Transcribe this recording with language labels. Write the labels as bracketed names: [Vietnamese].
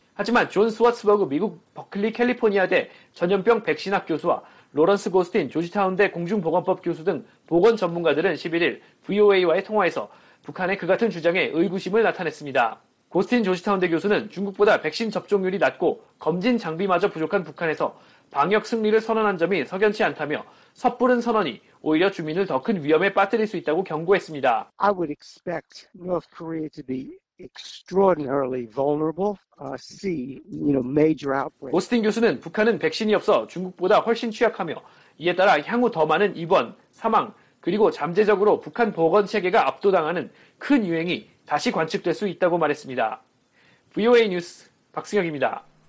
[Korean] 하지만 존 스와츠버그 미국 버클리 캘리포니아대 전염병 백신학 교수와 로런스 고스틴 조지타운대 공중보건법 교수 등 보건 전문가들은 11일 VOA와의 통화에서 북한의 그 같은 주장에 의구심을 나타냈습니다. 고스틴 조지타운대 교수는 중국보다 백신 접종률이 낮고 검진 장비마저 부족한 북한에서 방역 승리를 선언한 점이 석연치 않다며 섣부른 선언이 오히려 주민을 더 큰 위험에 빠뜨릴 수 있다고 경고했습니다. [English] I would expect North Korea to be extraordinarily vulnerable. See, you know, major outbreak. [Korean] 고스틴 교수는 북한은 백신이 없어 중국보다 훨씬 취약하며 이에 따라 향후 더 많은 입원, 사망 그리고 잠재적으로 북한 보건 체계가 압도당하는 큰 유행이 다시 관측될 수 있다고 말했습니다. VOA 뉴스 박승혁입니다.